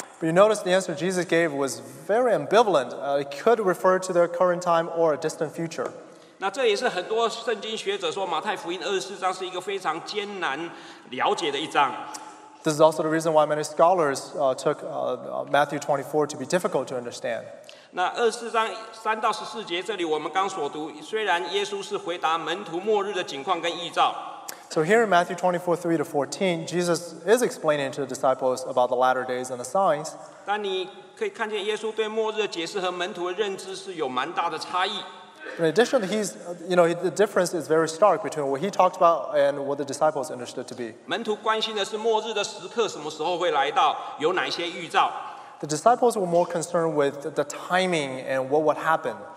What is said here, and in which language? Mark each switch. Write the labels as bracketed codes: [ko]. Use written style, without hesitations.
[en] But you notice the answer Jesus gave was very ambivalent. It could refer to their current time or a distant future. [zh] 那这也是很多圣经学者说马太福音24章是一个非常艰难了解的一章。 [en] This is also the reason why many scholars took Matthew 24 to be difficult to understand. [zh] 那24章3到14节这里我们刚所读，虽然耶稣是回答门徒末日的景况跟预兆。 [en] So here in Matthew 24:3-14, Jesus is explaining to the disciples about the latter days and the signs. [zh] 但你可以看见耶稣对末日的解释和门徒的认知是有蛮大的差异。 [en] In addition, the difference is very stark between what he talked about and what the disciples understood to be. [zh] 门徒关心的是末日的时刻什么时候会来到，有哪些预兆。 [en] The disciples were more concerned with the timing and what would happen.